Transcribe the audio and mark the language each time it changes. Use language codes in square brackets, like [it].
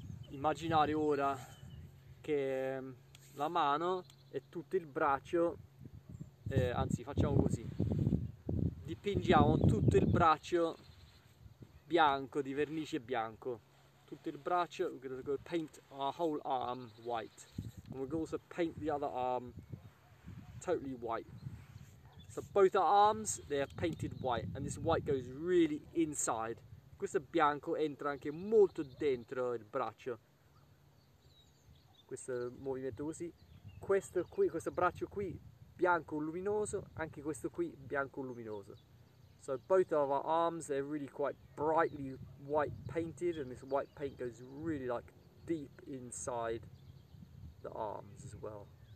[it] Immaginare ora che la mano e tutto il braccio, anzi facciamo così, dipingiamo tutto il braccio bianco, di vernice bianco. Tutto il braccio, [en] we're going to go paint our whole arm white. And we're going to also paint the other arm totally white. So both our arms, they are painted white. And this white goes really inside. [it] Questo bianco entra anche molto dentro il braccio. Questo movimento così, questo qui, questo braccio qui bianco luminoso, anche questo qui bianco luminoso. [en] So both of our arms, they're really quite brightly white painted, and this white paint goes really like deep inside the arms as well.